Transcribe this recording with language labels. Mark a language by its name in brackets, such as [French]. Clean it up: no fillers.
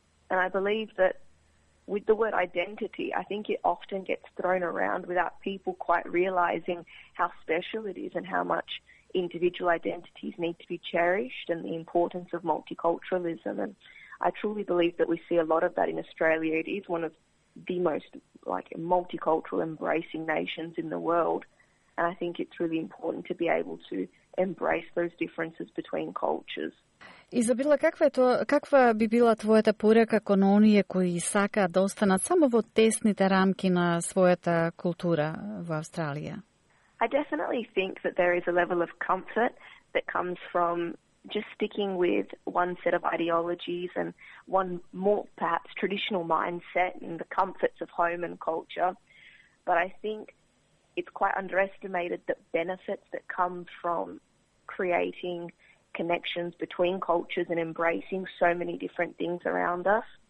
[English] And I believe that with the word identity, I think it often gets thrown around without people quite realizing how special it is and how much individual identities need to be cherished and the importance of multiculturalism. And I truly believe that we see a lot of that in Australia. It is one of the most like multicultural embracing nations in the world. And I think it's really important to be able to embrace those differences between cultures. [Macedonian] Изабела, каква би била твојата порака кон оние кои сакаат да останат само во тесните рамки на својата култура во Австралија? [English] I definitely think that there is a level of comfort that comes from just sticking with one set of ideologies and one more perhaps traditional mindset and the comforts of home and culture. But I think it's quite underestimated the benefits that come from creating connections between cultures and embracing so many different things around us.